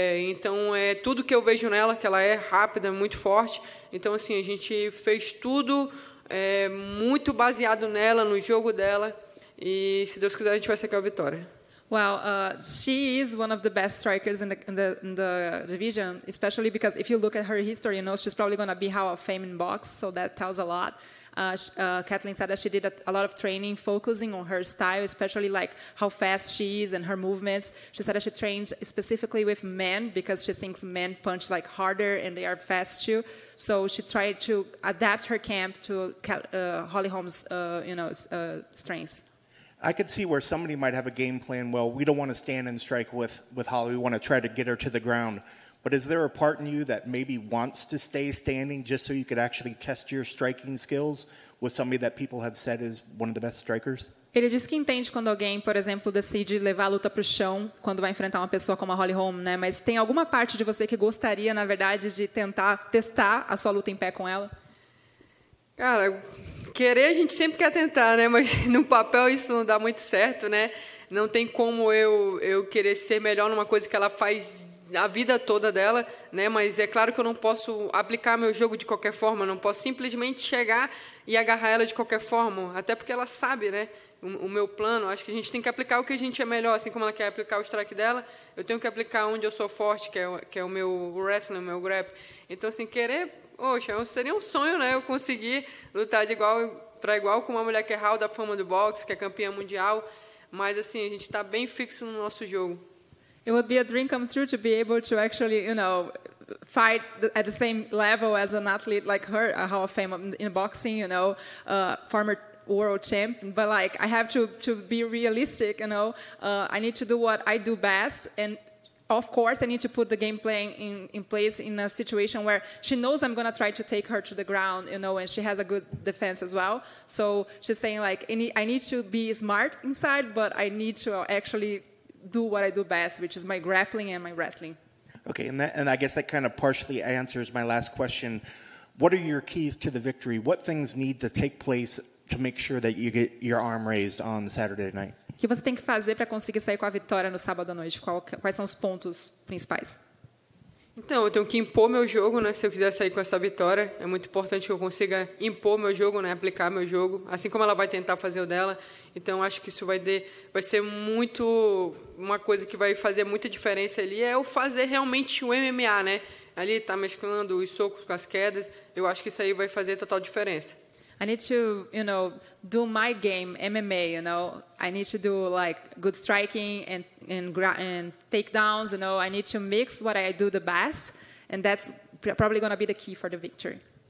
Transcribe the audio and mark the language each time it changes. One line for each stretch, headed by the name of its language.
Portuguese: Então, é tudo que eu vejo nela, que ela é rápida, muito forte. Então, assim, a gente fez tudo muito baseado nela, no jogo dela. E, se Deus quiser, a gente vai sacar a vitória.
English: Well, she is one of the best strikers in the division, especially because if you look at her history, you know, she's probably going to be Hall of Fame in box, so that tells a lot. Kathleen said that she did a lot of training focusing on her style, especially like how fast she is and her movements. She said that she trained specifically with men because she thinks men punch like harder and they are fast too. So she tried to adapt her camp to Holly Holm's strengths. I could see where somebody might have a game plan. Well, we don't want to stand and strike with Holly. We want to try to get her to the ground. But is there a part in you that maybe wants to stay standing just so you could actually test your striking skills with somebody that people have said is one of the best strikers?
Portuguese: Ele diz que entende quando alguém, por exemplo, decide levar a luta para o chão quando vai enfrentar uma pessoa como a Holly Holm, né? Mas tem alguma parte de você que gostaria, na verdade, de tentar testar a sua luta em pé com ela? Cara, querer a gente sempre quer tentar, né? Mas no papel isso não dá muito certo, né? Não tem como eu querer ser melhor numa coisa que ela faz a vida toda dela, né? Mas é claro que eu não posso aplicar meu jogo de qualquer forma, não posso simplesmente chegar e agarrar ela de qualquer forma, até porque ela sabe, né? O meu plano, acho que a gente tem que aplicar o que a gente é melhor, assim como ela quer aplicar o strike dela, eu tenho que aplicar onde eu sou forte, que é o meu wrestling, o meu grap. Então, assim, querer... Poxa, seria um sonho, né? Eu conseguir lutar de igual para igual com uma mulher que é Hall da Fama do boxe, que é campeã mundial. Mas assim, a gente está bem fixo no nosso jogo.
English: It would be a dream come true to be able to actually, you know, fight at the same level as an athlete like her, a Hall of Fame in boxing, you know, former world champ. But like, I have to be realistic, you know. I need to do what I do best and of course, I need to put the game plan in place in a situation where she knows I'm going to try to take her to the ground, you know, and she has a good defense as well. So she's saying, like, I need to be smart inside, but I need to actually do what I do best, which is my grappling and my wrestling. Okay, and I guess that kind of partially answers my last question. What are your keys to the victory? What things need to take place to make sure that you get your arm raised on Saturday night?
Portuguese: O que você tem que fazer para conseguir sair com a vitória no sábado à noite? Quais são os pontos principais? Então, eu tenho que impor meu jogo, né? Se eu quiser sair com essa vitória, é muito importante que eu consiga impor meu jogo, né? Aplicar meu jogo, assim como ela vai tentar fazer o dela. Então, acho que isso vai ser muito... Uma coisa que vai fazer muita diferença ali é eu fazer realmente o MMA, né? Ali tá mesclando os socos com as quedas. Eu acho que isso aí vai fazer total diferença.
English: I need to, you know, do my game, MMA, you know. I need to do, like, good striking and takedowns, you know. I need to mix what I do the best, and that's probably going to be the key for the victory.